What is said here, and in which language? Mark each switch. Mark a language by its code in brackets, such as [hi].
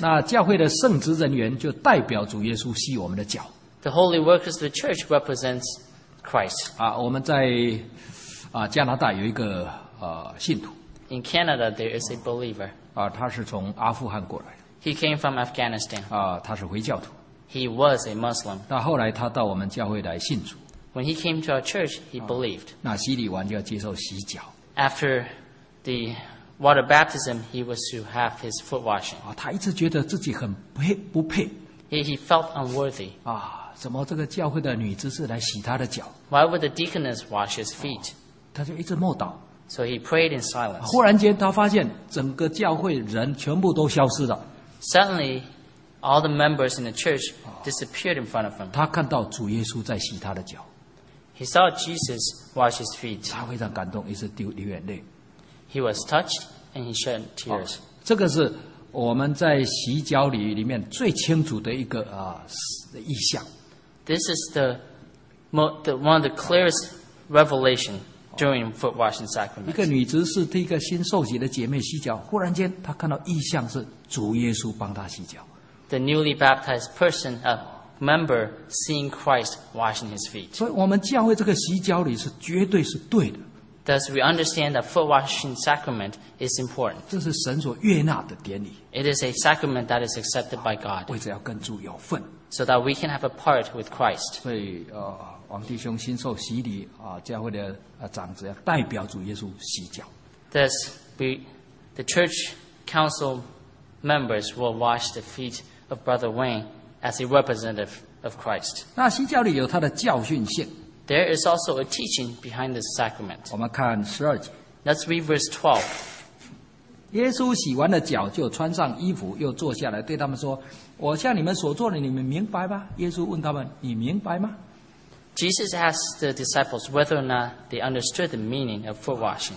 [zh] 那教会的圣职人员就代表主耶稣洗我们的脚。 [en] The holy workers of the church represents Christ. [zh] 我们在加拿大有一个信徒。 [en] In Canada, there is a believer. [zh] 他是从阿富汗过来的。 [en] He came from Afghanistan. [zh] 他是回教徒。 [en] He was a Muslim. [zh] 那后来他到我们教会来信主。 [en] When he came to our church, he believed. [zh] 那洗礼完就要接受洗脚。 [en] After the water baptism, he was to have his foot washing. [zh] 他一直觉得自己很不配。 [en] He felt unworthy. [zh] 怎么这个教会的女执事来洗他的脚？ [en] Why would the deaconess wash his feet? [zh] 他就一直默祷。 [en] So he prayed in silence. [zh] 忽然间他发现整个教会人全部都消失了。 [en] Suddenly, all the members in the church disappeared in front of him. [zh] 他看到主耶稣在洗他的脚。 [en] He saw Jesus wash his feet. [zh] 他非常感动，一直流眼泪。 [en] He was touched and he shed tears. [zh] 这个是我们在洗脚礼里面最清楚的一个意象。 [en] This is the one of the clearest revelation. during foot washing sacrament. [zh] 一个女执事替一个新受洗的姐妹洗脚，忽然间她看到异象，是主耶稣帮她洗脚。 [en] The newly baptized person, a member, seeing Christ washing his feet. [zh] 所以我们教会这个洗脚礼是绝对是对的。 [en] Thus, we understand that foot washing sacrament is important. [zh] 这是神所悦纳的典礼。 [en] It is a sacrament that is accepted by God. [zh] 为着要跟主有份。 [en] So that we can have a part with Christ. [zh] 所以，王弟兄新受洗礼啊，教会的长子要代表主耶稣洗脚。 [en] Thus, the church council members will wash the feet of Brother Wayne as a representative of Christ. [zh] 那洗脚礼有它的教训性。 [en] There is also a teaching behind this sacrament. [zh] 我们看十二节。 [en] Let's read verse 12. [zh] 耶稣洗完了脚，就穿上衣服，又坐下来，对他们说：“我向你们所做的，你们明白吗？” 耶稣问他们：“你明白吗？” [en] Jesus asked the disciples whether or not they understood the meaning of foot washing.